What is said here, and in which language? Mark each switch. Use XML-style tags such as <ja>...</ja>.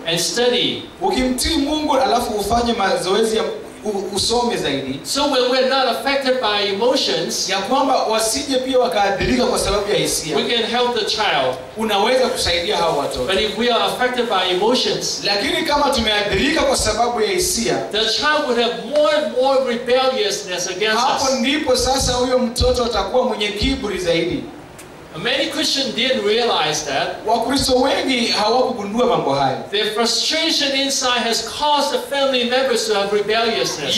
<en>And study.</en> <sw>Ukimtii Mungu alafu ufanye mazoezi ya usome zaidi.</sw> <en>So when we're not affected by emotions,</en> <sw>ya kwamba wasije pia wakaadhirika kwa sababu ya hisia.</sw> <en>We can help the child.</en> <sw>Unaweza kusaidia hao watoto.</sw> <en>But if we are affected by emotions,</en> <sw>lakini kama tumeadhirika kwa sababu ya hisia,</sw> <en>the child would have more and more rebelliousness against us.</en> <sw>Hapo ndipo sasa huyo mtoto atakuwa mwenye kiburi zaidi.</sw> <en>Many Christians didn't realize that.</en> <sw>Wakristo wengi hawakugundua mambo haya.</sw> <en>Their frustration inside has caused the family members to have rebelliousness.</en>